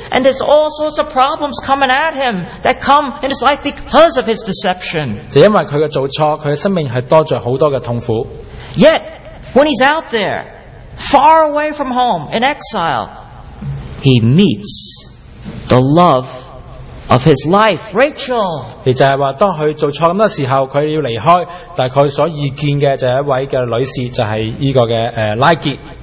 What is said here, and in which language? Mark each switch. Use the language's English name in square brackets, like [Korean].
[English] And there's all sorts of problems coming at him that come in his life because of his deception. [Chinese] 就因為他的做錯,他的生命是多了很多的痛苦。 [English] Yet, when he's out there, far away from home, in exile, he meets the love of his life, Rachel. [Chinese] 也就是说,当他做错的时候,他要离开,但他所遇见的就是一位女士,就是这个拉结,